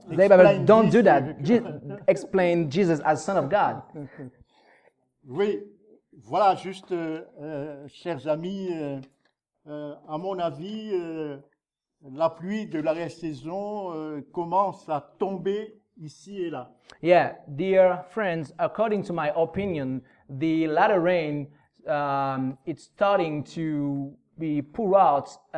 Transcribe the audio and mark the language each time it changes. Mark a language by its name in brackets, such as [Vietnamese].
[English] explain Bible don't Jesus. Do that explain Jesus as Son of God. [French] Oui. Voilà, juste, chers amis, à mon avis, la pluie de la saison commence à tomber ici et là. [English] Yeah, dear friends, according to my opinion, the latter rain, it's starting to be poured out.